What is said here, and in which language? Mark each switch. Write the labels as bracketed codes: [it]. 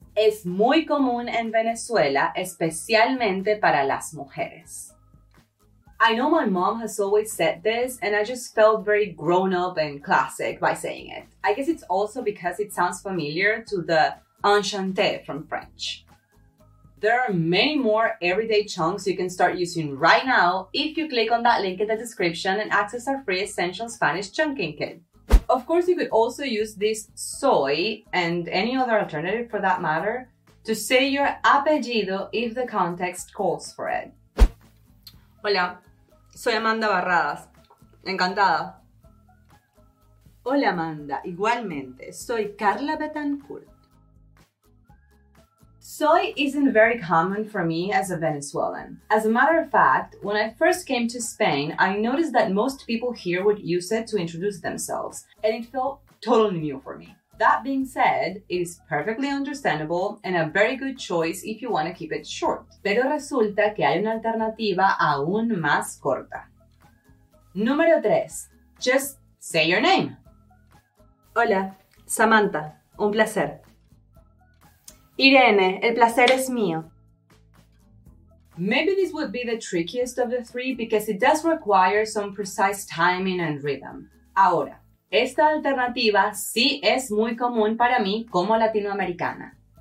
[es] Es muy común en Venezuela, especialmente para las mujeres. [en] I know my mom has always said this, and I just felt very grown up and classic by saying it. I guess it's also because it sounds familiar to the enchanté from French. There are many more everyday chunks you can start using right now if you click on that link in the description and access our free essential Spanish chunking kit. Of course, you could also use this soy and any other alternative for that matter to say your apellido if the context calls for it. [es] Hola, soy Amanda Barradas. Encantada. Hola, Amanda. Igualmente, soy Carla Betancourt. [en] Soy isn't very common for me as a Venezuelan. As a matter of fact, when I first came to Spain, I noticed that most people here would use it to introduce themselves, and it felt totally new for me. That being said, it is perfectly understandable and a very good choice if you want to keep it short. [es] Pero resulta que hay una alternativa aún más corta. Número tres. [en] Just say your name. [es] Hola, Samantha. Un placer. Irene, el placer es mío. [en] Maybe this would be the trickiest of the three because it does require some precise timing and rhythm. [es] Ahora, esta alternativa sí es muy común para mí como latinoamericana.